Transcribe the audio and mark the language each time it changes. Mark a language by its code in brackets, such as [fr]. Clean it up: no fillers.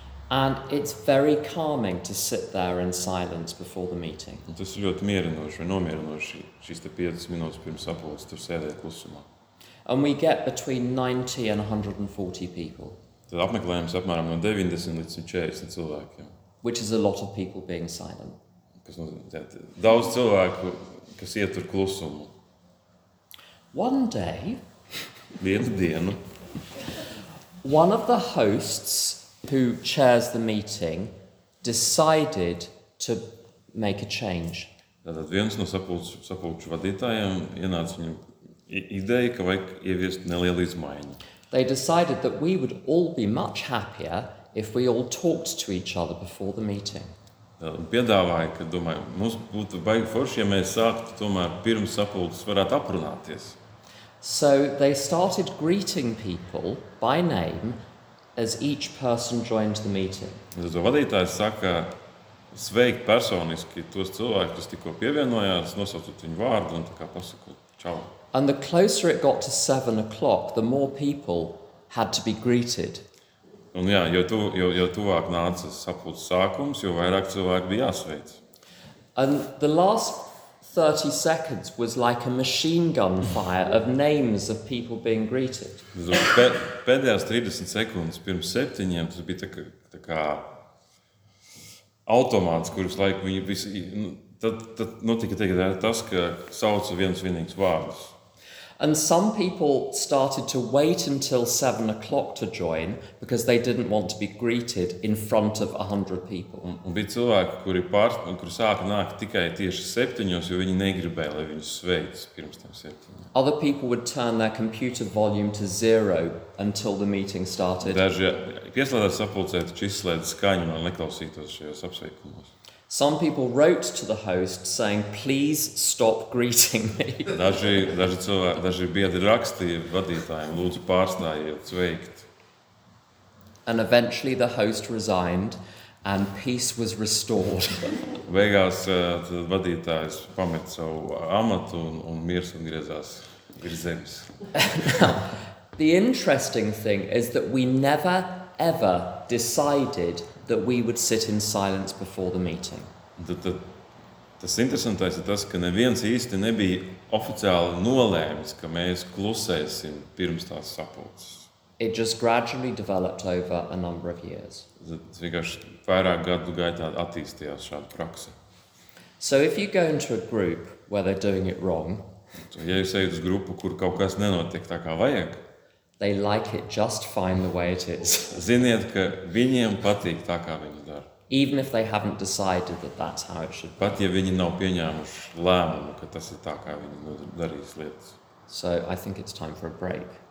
[en] And it's very calming to sit there in silence before the meeting. [lv] Tas ir ļoti mierinoši vai nomierinoši, šīs te 5 minūtes pirms sapulces tur sēdēt klusumā. [en] And we get between 90 and 140 people. [lv] Tad apmeklējums apmēram no 90 līdz 140 cilvēkiem. [en] Which is a lot of people being silent. [lv] Kas nozīmē, daudz cilvēku, kas ietur klusumu. [en] One day, [lv] vienu dienu, [en] one of the hosts who chairs the meeting decided to make a change. [lv] Tātad viens no sapulču vadītājiem ienāca viņam ideja, ka vajag ieviest nelielu izmaiņu. [en] They decided that we would all be much happier if we all talked to each other before the meeting. [lv] Piedāvāja, ka, domāju, mums būtu baigi forši, ja mēs sāktu tomēr pirms sapulces varētu aprunāties. [en] So they started greeting people by name as each person joined the meeting. [lv] Tad vadītājs saka sveikt personiski tos cilvēkus, kas tikko pievienojās, nosaucot viņu vārdu un tā kā pasakot čau. [en] And the closer it got to 7:00, the more people had to be greeted. [lv] Un jā, jo tuvāk nāca sapulces sākums, jo vairāk cilvēku bija jāsveic. [en] And the last 30 seconds was like a machine gun fire of names of people being greeted. [lv] Pēdējās 30 sekundes pirms septiņiem tas bija tā kā automāts, kurus laiku viņi visi, nu, tad notika tas, ka sauca viens vienīgs vārds. [en] And some people started to wait until 7 o'clock to join because they didn't want to be greeted in front of 100 people. [lv] Un bija cilvēki, kuri sāka nākt tikai tieši 7:00, jo viņi negribēja, lai viņus sveic pirms tam 7:00. [en] Other people would turn their computer volume to 0 until the meeting started. [lv] Daži pieslēdās sapulcē, taču izslēdz skaņu, lai neklausītos šajos apsveikumos. [en] Some people wrote to the host saying, please stop greeting me. [lv] Daži biedri rakstīja vadītājiem, lūdzu pārstājiet sveikt. [en] And eventually the host resigned and peace was restored. [lv] Beigās vadītājs pameta savu amatu un miers atgriezās virs zemes. [en] The interesting thing is that we never ever decided that we would sit in silence before the meeting. [lv] Tas interesantais ir tas, ka neviens īsti nebija oficiāli nolēmis, ka mēs klusēsim pirms tās sapulces. [en] It just gradually developed over a number of years. [lv] Tas vienkārši vairāk gadu gaitā attīstījās šāda praksa. [en] So if you go into a group where they're doing it wrong, [lv] ja jūs ejat uz grupu, kur kaut kas nenotiek tā kā vajag, [en] they like it just fine the way it is. [lv] Ziniet, ka viņiem patīk tā, kā viņi dara. [en] Even if they haven't decided that that's how it should be. [lv] Pat ja viņi nav pieņēmuši lēmumu, ka tas ir tā, kā viņi darīs lietas. [en] So I think it's time for a break.